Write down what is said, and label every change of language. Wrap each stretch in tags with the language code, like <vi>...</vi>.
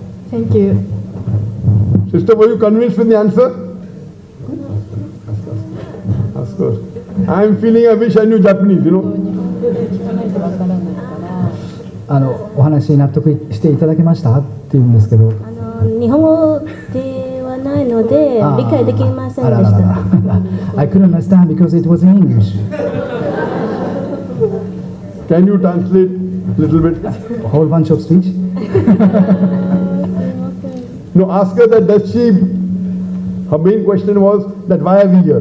<en>Thank you. Sister, were you convinced with the answer? Of course. I am feeling I wish I knew Japanese, you know.</en> <ja>お話に納得していただけましたっていうんですけど。日本語ではないので理解できませんでした。あらららら。</ja> <en>I couldn't understand because it was in English. Can you translate a little bit? A whole bunch of speech? No, ask her that does she, her main question was that why are we here?</en>